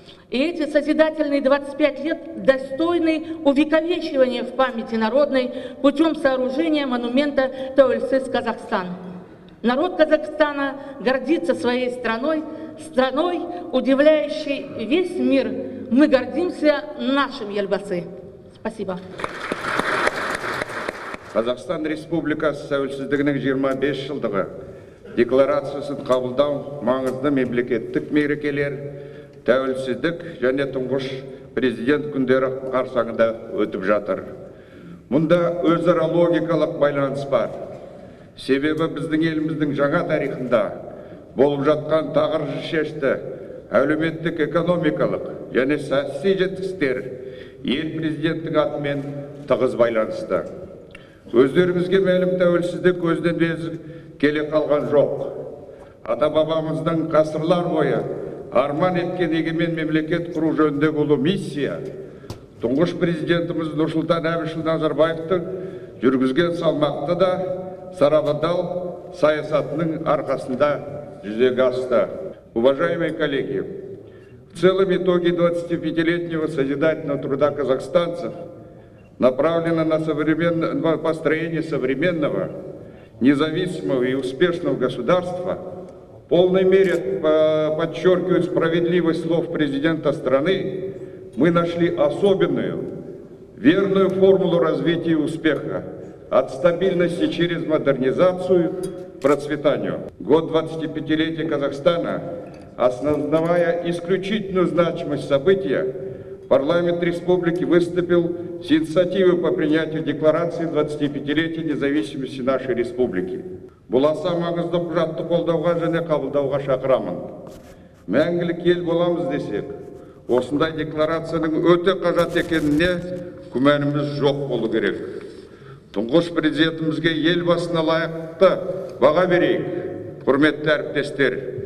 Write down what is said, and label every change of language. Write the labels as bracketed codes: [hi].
[ru] И эти созидательные 25 лет достойны увековечивания в памяти народной путем сооружения монумента «Тәуелсіз Казахстан». Народ Казахстана гордится своей страной, страной, удивляющей весь мир. Мы гордимся нашим елбасы. Спасибо. [kk] Казахстан Республикасы тәуелсіздігінің 25 жылдығы декларациясын қабылдау маңызды мемлекеттік мерекелер, тәуелсіздік және тұңғыш президент күндері қарсаңында өтіп жатыр. Мұнда өзара логикалық байланыс бар. Себебі біздің еліміздің жаңа тарихында болып жатқан тағыршы шешті әлеуметтік экономикалық және саяси жетістіктер ел президенттің атымен тығыз байланысты. Өздеріңізге мәлім, тәуелсіздік көзден безіп келе қалған жоқ. Ата-бабамыздың ғасырлар бойы арман еткен егемен мемлекет құру жөніндегі ұлы миссия, тұңғыш президентіміз Нұрсұлтан Әбішұлы Назарбаевтың жүргізген салмақты да сарабдал саясатының арқасында жүзеге асты. [ru] Уважаемые коллеги, в целом итоги 25-летнего созидательного труда казахстанцев направлены на построение современного, независимого и успешного государства, в полной мере подчеркивают справедливость слов президента страны, мы нашли особенную, верную формулу развития и успеха от стабильности через модернизацию к процветанию. Год 25-летия Казахстана, осознавая исключительную значимость события, парламент республики выступил с инициативой по принятию декларации 25-летия независимости нашей республики. [kk] Буласа маңызды құжатты қолдауға және қабылдауға шақырамын. Мәңгілік ел боламыз десек, осындай декларацияның өте қажет екеніне күмәніміз жоқ болу керек. Тұңғыш президентімізге елбасына лайықты баға берейік, құрметті әріптестер.